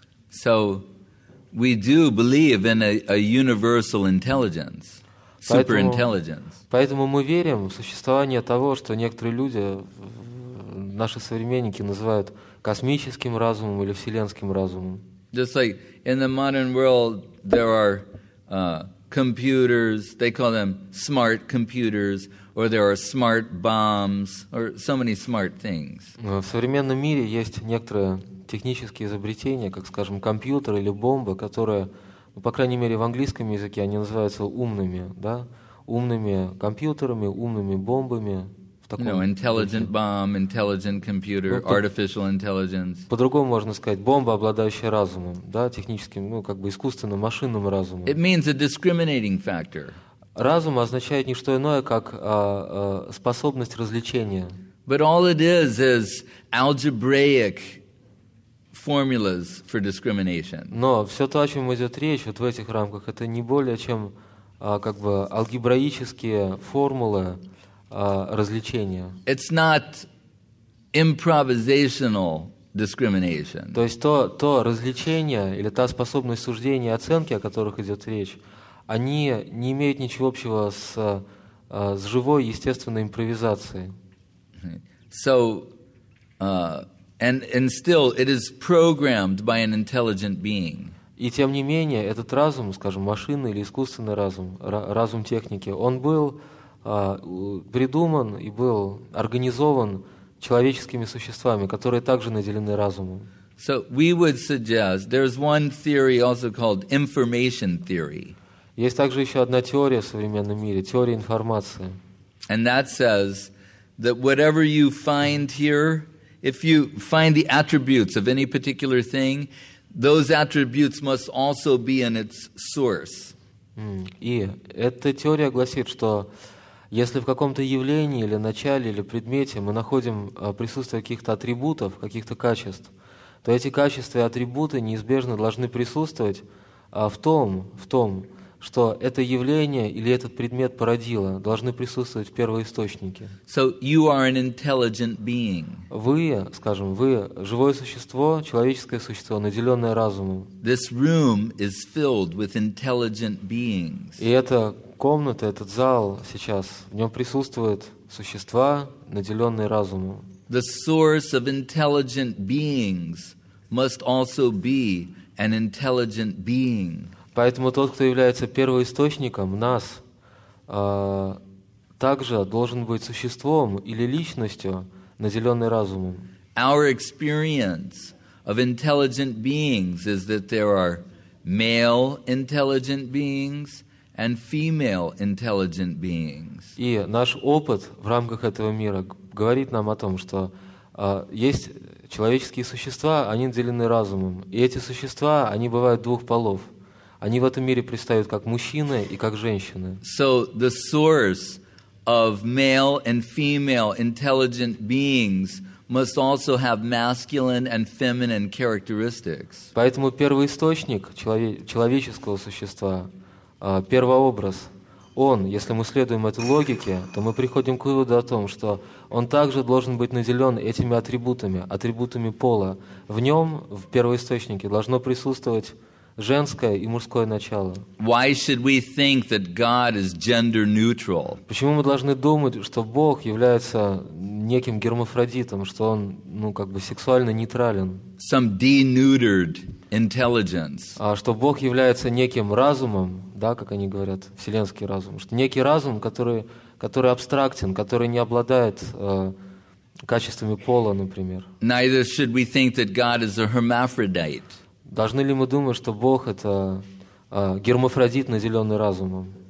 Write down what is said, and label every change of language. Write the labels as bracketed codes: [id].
[en] So we do believe in a universal intelligence, superintelligence. [ru] Поэтому мы верим в существование того, что некоторые люди, наши современники, называют космическим разумом или вселенским разумом. [en] Just like in the modern world there are computers, they call them smart computers, or there are smart bombs, or so many smart things. [ru] В современном мире есть некоторые технические изобретения, как, скажем, компьютер или бомба, которые, ну, по крайней мере, в английском языке они называются умными, да? Умными компьютерами, умными бомбами. [en] Intelligent bomb, intelligent computer, artificial intelligence. [ru] По-другому можно сказать, бомба, обладающая разумом, да, техническим, ну, как бы искусственным, машинным разумом. [en] It means a discriminating factor. [ru] Разум означает не что иное, как способность развлечения. [en] But all it is algebraic formulas for discrimination. [ru] Но все то, о чем идет речь вот в этих рамках, это не более чем как бы алгебраические формулы развлечения. [en] It's not improvisational discrimination. [ru] То есть то развлечение или та способность суждения и оценки, о которых идет речь, они не имеют ничего общего с живой естественной импровизацией. [en] So and still it is programmed by an intelligent being. [ru] И тем не менее этот разум, скажем, машинный или искусственный разум, разум техники, он был придуман и был организован человеческими существами, которые также наделены разумом. [en] So we would suggest there's one theory also called information theory. [ru] Есть также еще одна теория в современном мире, теория информации. [en] And that says that whatever you find here, if you find the attributes of any particular thing, those attributes must also be in its source. [ru] И эта теория гласит, что если в каком-то явлении или начале или предмете мы находим присутствие каких-то атрибутов, каких-то качеств, то эти качества и атрибуты неизбежно должны присутствовать в том, что это явление или этот предмет породило, должны присутствовать в первоисточнике. [en] So you are an intelligent being. [ru] Вы живое существо, человеческое существо, наделенное разумом. [en] This room is filled with intelligent beings. [ru] И это комната, этот зал сейчас, в нем присутствуют существа, наделенные разумом. [en] The source of intelligent beings must also be an intelligent being. [ru] Поэтому тот, кто является первоисточником нас, также должен быть существом или личностью, наделенной разумом. [en] Our experience of intelligent beings is that there are male intelligent beings and female intelligent beings. [ru] И наш опыт в рамках этого мира говорит нам о том, что есть человеческие существа, они наделены разумом. И эти существа, они бывают двух полов. Они в этом мире предстают как мужчины и как женщины. [en] So the source of male and female intelligent beings must also have masculine and feminine characteristics. [ru] Поэтому первоисточник человеческого существа, первообраз, он, если мы следуем этой логике, то мы приходим к выводу о том, что он также должен быть наделен этими атрибутами, атрибутами пола. В нем, в первоисточнике, должно присутствовать женское и мужское начало. [en] Why should we think that God is gender neutral? [ru] Почему мы должны думать, что Бог является неким гермафродитом, что он, ну, как бы сексуально нейтрален? [en] Some denuded intelligence. [ru] А что Бог является неким разумом, да, как они говорят, вселенский разум, что некий разум, который абстрактен, который не обладает качествами пола, например. [en] Neither should we think that God is a hermaphrodite. [ru] Должны ли мы думать, что Бог — это гермафродит, наделенный разумом?